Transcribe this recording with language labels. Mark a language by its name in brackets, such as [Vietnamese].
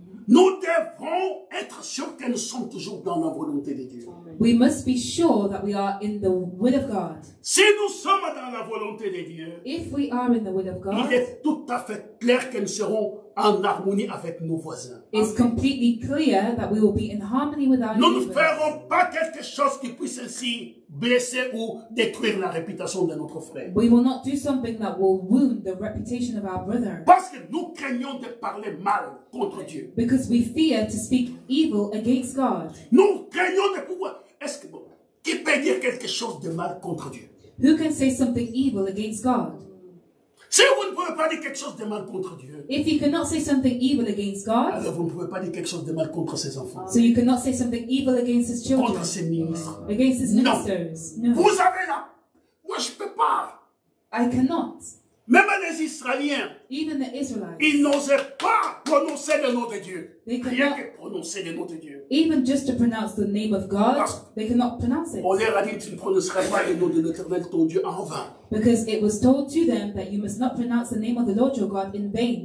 [French] Nous devons être sûrs que nous sommes toujours dans la volonté de Dieu. [English] We must be sure that we are in the will of God. [French] Si nous sommes dans la volonté de Dieu, [English] if we are in the will of God, [French] il est tout à fait clair que nous serons en harmonie avec nos voisins. [English] It's completely clear that we will be in harmony with our [French] neighbors. Nous ne ferons pas quelque chose qui puisse ainsi blesser ou détruire la réputation de notre frère. [English] We will not do something that will wound the reputation of our brother. [French] Parce que nous craignons de parler mal contre Dieu. [English] Because we fear to speak evil against God. [French] Nous craignons de pouvoir. Est-ce que qui peut dire quelque chose de mal contre Dieu? [English] Who can say something evil against God? [French] Si vous ne pouvez pas dire quelque chose de mal contre Dieu. [English] If you cannot say something evil against God. [French] Alors vous ne pouvez pas dire quelque chose de mal contre ses enfants. [English] So you cannot say something evil against his children. [French] Contre ses ministres. [English] Against his ministers. [French] Non. No. Vous avez là. Moi je peux pas. [English] I cannot. [French] Même les Israéliens. [English] Even the Israelites. [French] Ils n'osaient pas prononcer le nom de Dieu. [English] They cannot, [French] rien que prononcer le nom de Dieu. [English] Even just to pronounce the name of God. Parce, they cannot pronounce it. [French] On leur a dit tu ne prononceras pas le nom de l'Éternel ton Dieu en vain. [English] Because it was told to them that you must not pronounce the name of the Lord your God in vain.